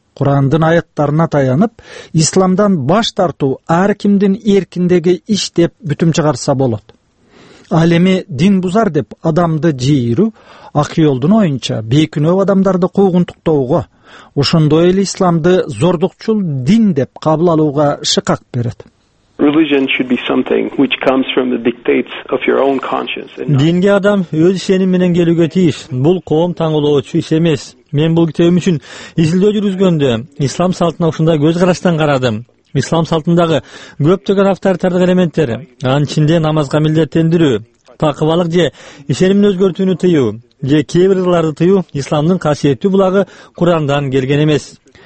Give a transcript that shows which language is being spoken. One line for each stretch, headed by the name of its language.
Kyrgyz: Курандын аяттарына таянып, исламдан баш тартуу ар кимдин эркиндеги иш деп бүтүм чыгарса болот. Ал эми дин бузар деп адамды жыйыруу, акыйолдун оюнча бейкүнөө адамдарды куугунтуктоого, ошондой эле исламды зордукчул дин деп кабыл алууга шыкак берет.
English: Religion should be something which comes from the dictates of your own conscience.
Kyrgyz: Динге адам өз ишеним менен келүүгө тийиш. Бул коом таңдоочу иш эмес. Мен бул китебим үчүн изилдөө жүргүзгөндө ислам салтына ушундай көз караштан карадым. Ислам салтындагы көптөгөн авторитардык элементтер, анын ичинде намазга милдеттендирүү, такыбалык же ишенимин өзгөртүүнү тыюу же кээ бир ырларды тыюу исламдын касиеттүү булагы Курандан келген эмес.